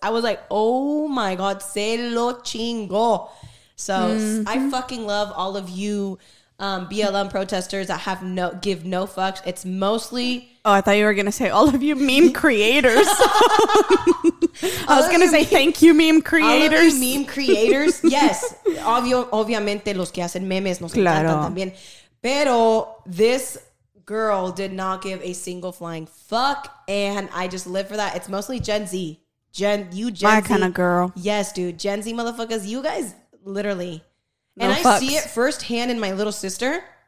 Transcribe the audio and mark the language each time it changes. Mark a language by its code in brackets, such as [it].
[en] I was like, oh my God, [es] se lo chingo. [en] So I fucking love all of you BLM protesters that give no fucks. It's mostly... Oh, I thought you were going to say all of you meme creators. I was going to say thank you, meme creators. All of you meme creators. Yes. [es] Obviamente, los que hacen memes nos encantan también. [en] Pero this girl did not give a single flying fuck. And I just live for that. It's mostly Gen Z. My kind of girl. Yes, dude. Gen Z motherfuckers. You guys... Literally. And no fucks. I see it firsthand in my little sister.